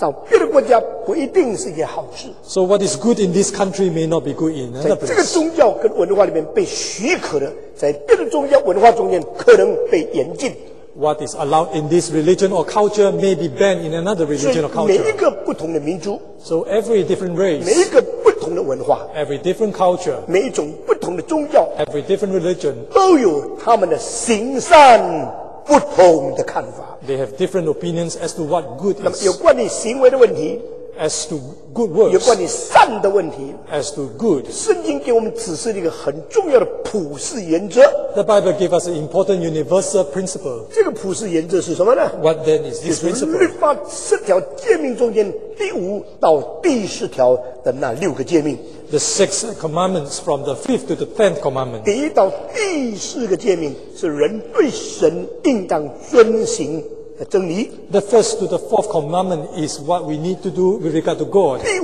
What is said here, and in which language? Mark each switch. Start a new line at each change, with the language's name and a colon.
Chinese: 所以在这个国家里面变成良善的，到别的国家不一定是一件好事。
English: So what is good in this country may not be good in another place.
Chinese: 在这个宗教跟文化里面被许可的，在别的宗教文化中间可能被严禁。
English: What is allowed in this religion or culture may be banned in another religion or culture.
Chinese: 所以每一个不同的民族,
English: so every different race,
Chinese: 每一个不同的文化,
English: every different culture,
Chinese: 每一种不同的宗教,
English: every different religion,
Chinese: 都有他们的行善不同的看法。
English: They have different opinions as to what good is.
Chinese: 那么有关于行为的问题,
English: as to good works.
Chinese: 有关于善的问题,
English: as to good.
Chinese: 圣经给我们指示了一个很重要的普世原则,
English: the Bible gave us an important universal principle.
Chinese: 这个普世原则是什么呢?
English: What then is this principle?
Chinese: 就是律法十条诫命中间第五到第四条的那六个诫命。
English: The six commandments from the fifth to the tenth commandment.
Chinese: 第一到第四个诫命是人对神应当遵行。
English: The first to the fourth commandment is what we need to do with regard to God.